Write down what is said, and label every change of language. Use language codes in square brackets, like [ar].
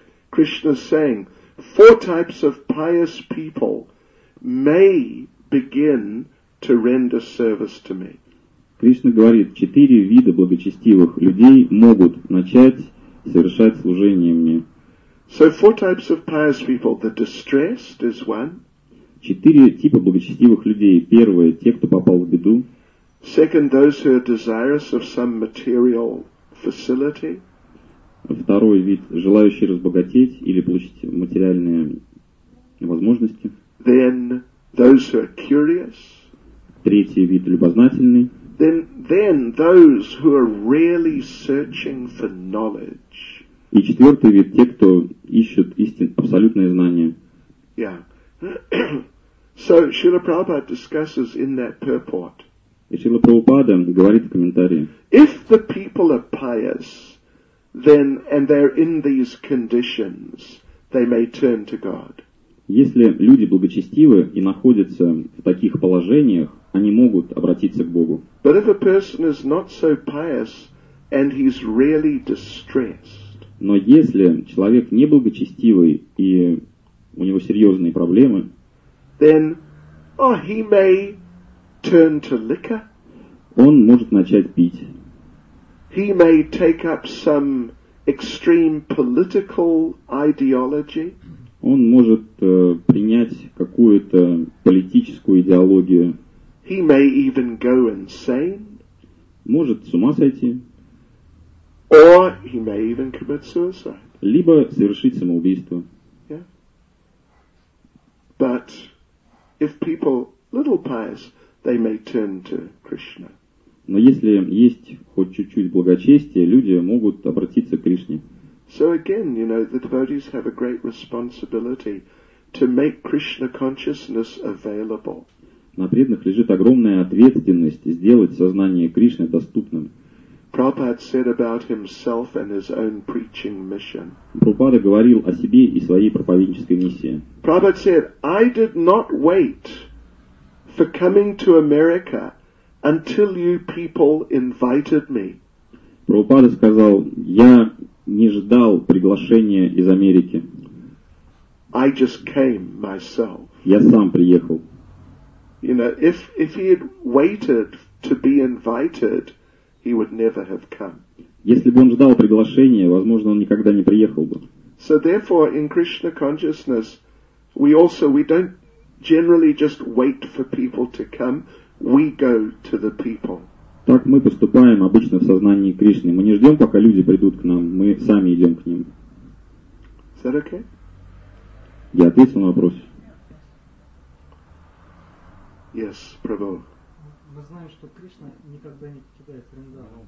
[en] Krishna is saying four types of pious people may begin to render service to me. [ru] Кришна говорит, четыре вида благочестивых людей могут начать совершать служение мне. [en] So four types of pious people. The distressed is one. [ru] Четыре типа благочестивых людей. Первое, те, кто попал в беду. [en] Second, those who are desirous of some material facility. [ru] Второй вид, желающие разбогатеть или получить материальные возможности. [en] Then those who are curious. [ru] Третий вид, любознательный. [en] Then those who are really searching for knowledge. [ru] И четвертый вид, те, кто ищет истин, абсолютное знание. [en] Yeah. So Srila Prabhupada discusses in that purport. [ru] И Srila Prabhupada говорит в комментарии. [en] If the people are pious, then and they're in these conditions, they may turn to God. [ru] Если люди благочестивы и находятся в таких положениях, они могут обратиться к Богу. [en] But if a person is not so pious and he's really distressed. [ru] Но если человек не благочестивый и у него серьезные проблемы, [en] then he may turn to liquor. [ru] Он может начать пить. [en] He may take up some extreme political ideology. [ru] Он может принять какую-то политическую идеологию. [en] He may even go insane. [ru] Может с ума сойти. [en] Or he may even commit suicide. [ru] Либо совершить самоубийство. [en] Yeah. But if people little pious, they may turn to Krishna. [ru] Но если есть хоть чуть-чуть благочестия, люди могут обратиться к Кришне. [en] So again, you know, the devotees have a great responsibility to make Krishna consciousness available. [ru] На преданных лежит огромная ответственность сделать сознание Кришны доступным. [en] Prabhupada said about himself and his own preaching mission. [ru] Прабхупада говорил о себе и своей проповеднической миссии. [en] Prabhupada said, I did not wait for coming to America until you people invited me. [ru] Прабхупада сказал, я не ждал приглашения из Америки. [en] I just came myself. [ru] Я сам приехал. [en] You know, if he had waited to be invited, he would never have come. [ru] Если бы он ждал приглашения, возможно, он никогда не приехал бы. [en] So therefore, in Krishna consciousness, we don't generally just wait for people to come, we go to the people. [ru] Так мы поступаем обычно в сознании Кришны. Мы не ждем, пока люди придут к нам, мы сами идем к ним. [en] Is that okay? [ru] Я ответил на вопрос. [en] Yes, Prabhu. [ru] Мы знаем, что Кришна никогда не покидает Вриндаван.